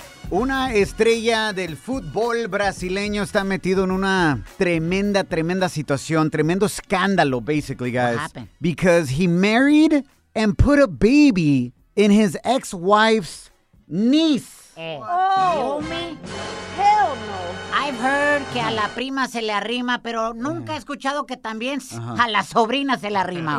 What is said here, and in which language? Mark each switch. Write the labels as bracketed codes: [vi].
[es] Una estrella del fútbol brasileño está metido en una tremenda, tremenda situación. Tremendo escándalo, [en] basically, guys. What happened? Because he married and put a baby in his ex-wife's niece. I've heard [es] que a la prima se le arrima, pero nunca he escuchado que también a la sobrina se le arrima.